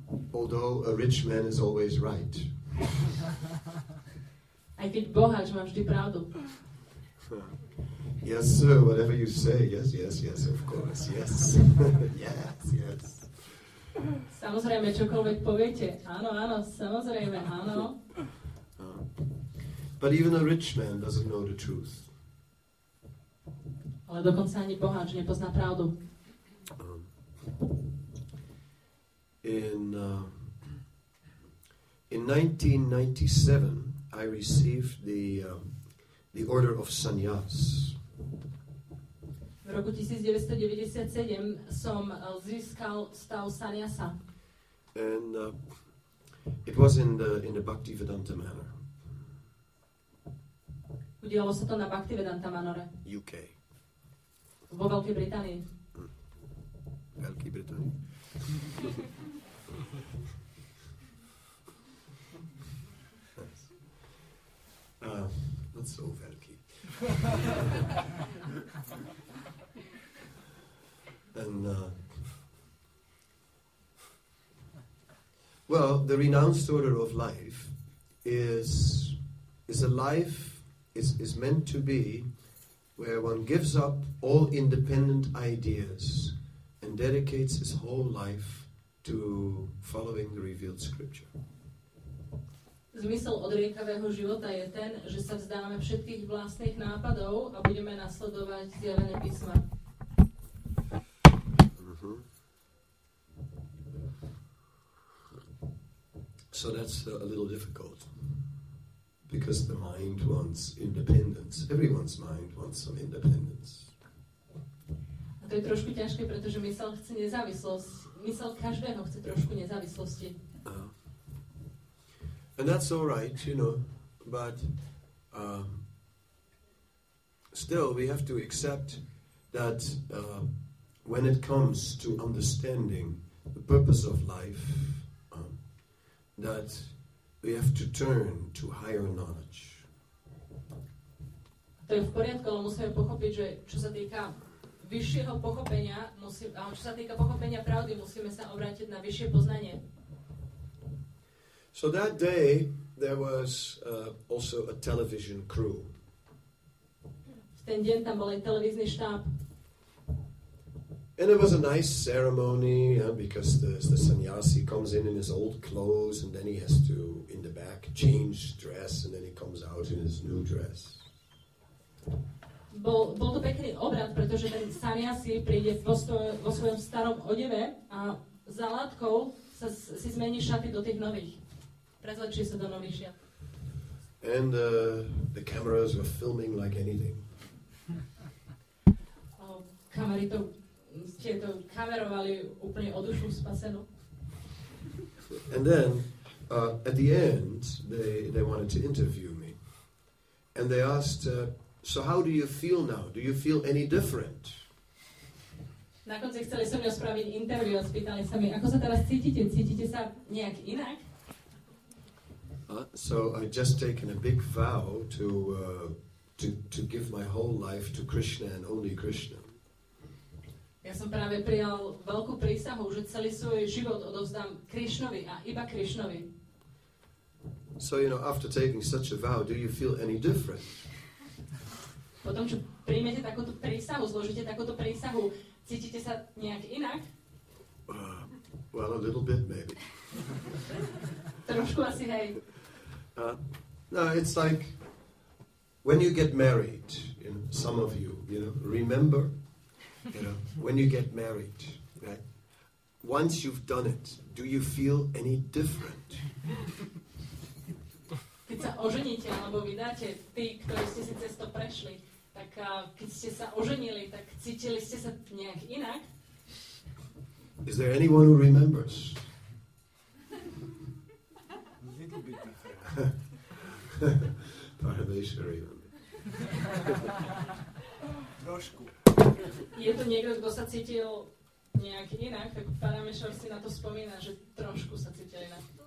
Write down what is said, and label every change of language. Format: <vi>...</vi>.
<en>Although a rich man is always right.</en> <sk>Aj keď bohač má vždy pravdu.</sk> <en>Yes, sir, whatever you say, yes, yes, yes, of course, yes, yes, yes.</en> <sk>Samozrejme, čokoľvek poviete, áno, áno, samozrejme, áno.</sk> <en>But even a rich man doesn't know the truth.</en> <sk>Ale dokonca ani boháč nepozná pravdu.</sk> <en>In 1997, I received the order of sannyas.</en> <sk>V roku 1997 som získal stav sannyasa.</sk> <en>And it was in the Bhaktivedanta manner.</en> <sk>Udialo sa to na Bhaktivedanta manore.</sk> <en>UK.</en> <sk>Vo Veľkej Británii. Veľkej Británii.</sk> <en>Not so velky. And well, the renounced order of life is a life is meant to be where one gives up all independent ideas and dedicates his whole life to following the revealed scripture.</en> <sk>Zmysel odriekavého života je ten, že sa vzdáme všetkých vlastných nápadov a budeme nasledovať zjavené písma.</sk> <en>So that's a little difficult because the mind wants independence. Everyone's mind wants some independence.</en> <sk>A to je trošku ťažké, pretože mysel chce nezávislosť. Mysel každého chce trošku nezávislosti.</sk> <en>And that's all right, you know, but still we have to accept that when it comes to understanding the purpose of life, that we have to turn to higher knowledge.</en> <sk>To je v poriadku, ale musíme pochopiť, že čo sa týka vyššieho pochopenia, čo sa týka pochopenia pravdy, musíme sa obrátiť na vyššie poznanie.</sk> <en>So that day there was also a television crew.</en> <sk>V ten deň tam bol aj televízny štáb.</sk> <en>And it was a nice ceremony, yeah, because the sannyasi comes in his old clothes and then he has to, in the back, change dress and then he comes out in his new dress.</en> <sk>Bol to pekný obrad, pretože ten sannyasi príde vo svojom starom odeve a za látkou si zmení šaty do tých nových. Prezlečí sa do nových šiat.</sk> <en>And the cameras were filming like anything.</en> <sk>Kamery to... Tieto kamerovali úplne o dušu spasenú.</sk> <en>And then, at the end, they wanted to interview me. And they asked, so how do you feel now? Do you feel any different?</en> <sk>Na konci chceli so mňa spraviť interview a spýtali sa mi, ako sa teraz cítite? Cítite sa nejak inak?</sk> <en>So I just taken a big vow to give my whole life to Krishna and only Krishna.</en> <sk>Ja som práve prijal veľkú prísahu, že celý svoj život odovzdám Krišnovi a iba Krišnovi.</sk> <en>So, you know, after taking such a vow, do you feel any different?</en> <sk>Potom, čo príjmete takúto prísahu, zložíte takúto prísahu, cítite sa nejak inak?</sk> <en>Well, a little bit, maybe.</en> <sk>Trošku asi, hej.</sk> <en>No, it's like when you get married, you know, some of you know, remember... You know, when you get married, right? Once you've done it, do you feel any different?</en> <sk>Keď sa oženíte, alebo vy dáte, tí, ktorí ste si cez to prešli, tak keď ste sa oženili, tak cítili ste sa nejak inak?</sk> <en>Is there anyone who remembers? A little bit different. Paramesha remember.</en> <sk>Trošku. Je to niekto, kto sa cítil nejak inak, tak Paramešov si na to spomína, že trošku sa cítil inak.</sk>